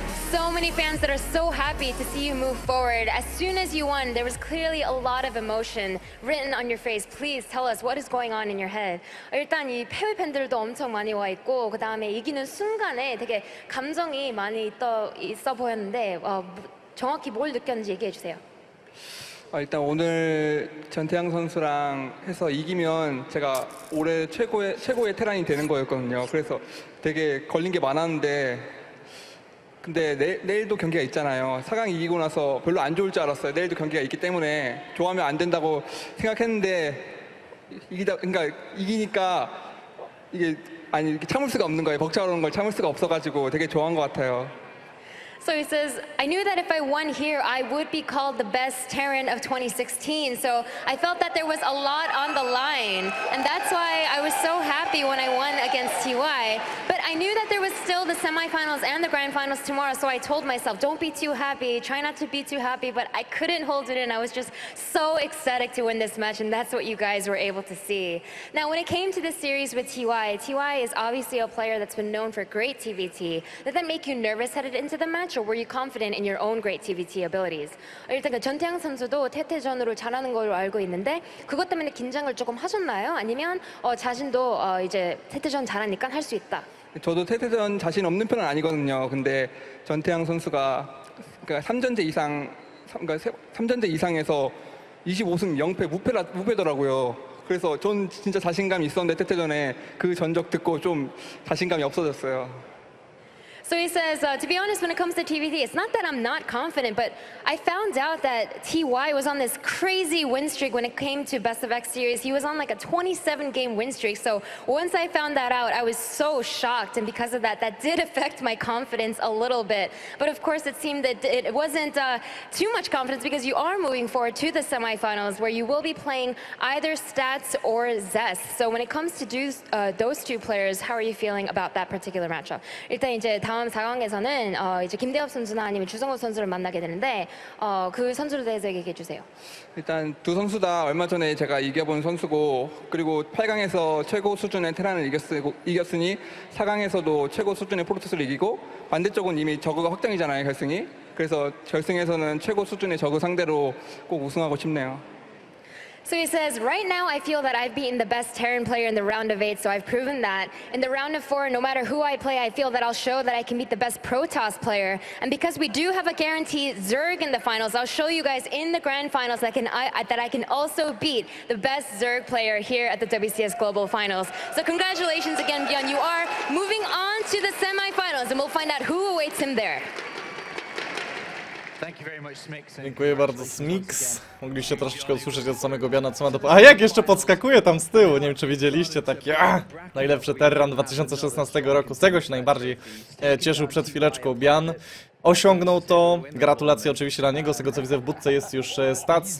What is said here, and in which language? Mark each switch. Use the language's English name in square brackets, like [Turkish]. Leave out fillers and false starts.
[English] So many fans that are so happy to see you move forward. As soon as you won, there was clearly a lot of emotion written on your face. Please tell us what is going on in your head. [Korean] 일단 이 패배 팬들도 엄청 많이 와 있고 그다음에 이기는 순간에 되게 감정이 많이 있어 보였는데 정확히 뭘 느꼈는지 얘기해 주세요. 일단 오늘 전태양 선수랑 해서 이기면 제가 올해 최고의 테란이 되는 거였거든요. 그래서 되게 걸린 게 많았는데 근데 내일도 경기가 있잖아요. 4강 이기고 나서 별로 안 좋을 줄 알았어요. 내일도 경기가 있기 때문에 좋아하면 안 된다고 생각했는데 그러니까 이기니까 이게 아니 이렇게 참을 수가 없는 거예요. 벅차오는 걸 참을 수가 없어가지고 되게 좋아한 것 같아요. [English] So he says, I knew that if I won here, I would be called the best Terran of 2016. So I felt that there was a lot on the line. And that's why I was so happy when I won against TY. But I knew that there was still the semifinals and the grand finals tomorrow. So I told myself, don't be too happy. Try not to be too happy. But I couldn't hold it in. I was just so ecstatic to win this match. And that's what you guys were able to see. Now, when it came to this series with TY, TY is obviously a player that's been known for great TVT. Did that make you nervous headed into the match, or were you confident in your own great TVT abilities? [Korean] 일단 그 전태양 선수도 태태전으로 잘하는 걸로 알고 있는데 그것 때문에 긴장을 조금 하셨나요? 아니면 자신도 이제 태태전 잘하니까 할 수 있다. 저도 태태전 자신 없는 편은 아니거든요. 근데 전태양 선수가 그러니까 3전제 이상에서 25승 0패 무패더라고요. 그래서 전 진짜 자신감이 있었는데 태태전에 그 전적 듣고 좀 자신감이 없어졌어요. [English] So he says, to be honest, when it comes to TVT, it's not that I'm not confident, but I found out that TY was on this crazy win streak when it came to Best of X series. He was on like a 27-game win streak. So once I found that out, I was so shocked. And because of that, that did affect my confidence a little bit. But of course, it seemed that it wasn't too much confidence because you are moving forward to the semifinals where you will be playing either Stats or Zest. So when it comes to those two players, how are you feeling about that particular matchup? [Korean] 일단 이제 다음 4강에서는 이제 김대엽 선수나 아니면 주성호 선수를 만나게 되는데 그 선수로 대해서 얘기해 주세요. 일단 두 선수 다 얼마 전에 제가 이겨본 선수고 그리고 8강에서 최고 수준의 테란을 이겼으니 4강에서도 최고 수준의 포르투스를 이기고 반대쪽은 이미 저그가 확정이잖아요, 결승이. 그래서 결승에서는 최고 수준의 저그 상대로 꼭 우승하고 싶네요. [English] So he says, right now I feel that I've beaten the best Terran player in the round of eight, so I've proven that. In the round of four, no matter who I play, I feel that I'll show that I can beat the best Protoss player. And because we do have a guaranteed Zerg in the finals, I'll show you guys in the grand finals that I can also beat the best Zerg player here at the WCS Global Finals. So congratulations again, Byun. You are moving on to the semifinals, and we'll find out who awaits him there. [Polish] Dziękuję bardzo, Smix. Mogliście troszeczkę usłyszeć od samego Byuna, co ma do... A jak jeszcze podskakuje tam z tyłu? Nie wiem, czy widzieliście, taki najlepszy Terran 2016 roku. Z tego się najbardziej cieszył przed chwileczką Byun. Osiągnął to. Gratulacje oczywiście dla niego. Z tego, co widzę, w budce jest już stac.